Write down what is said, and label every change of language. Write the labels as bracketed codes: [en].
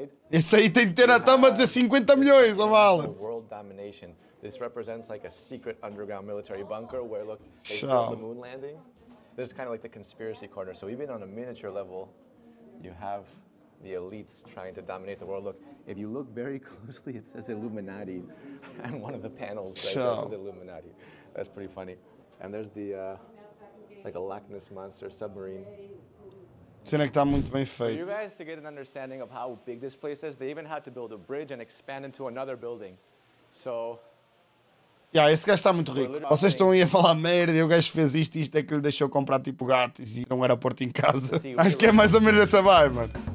[pt] Esse aí tem que ter a tama de 50 milhões, oh Alex. [en] World domination. This represents like a secret underground military bunker where look, they built the moon landing. This is kind of like the conspiracy corner. So even on a miniature level, you have the elites trying to dominate the world. Look, if you look very closely, it says Illuminati on one of the panels. Right? Sure. The Illuminati. That's pretty funny. And there's the, like a Loch Ness Monster submarine. [pt] Cena que tá muito bem feito. [en] For you guys to get an understanding of how big this place is, they even had to build a bridge and expand into another building. So, [pt] Yeah, esse gajo está muito rico. Vocês estão aí a falar merda e o gajo fez isto e isto é que lhe deixou comprar tipo gatos e ir a um aeroporto em casa. Acho que é mais ou menos essa vibe, mano.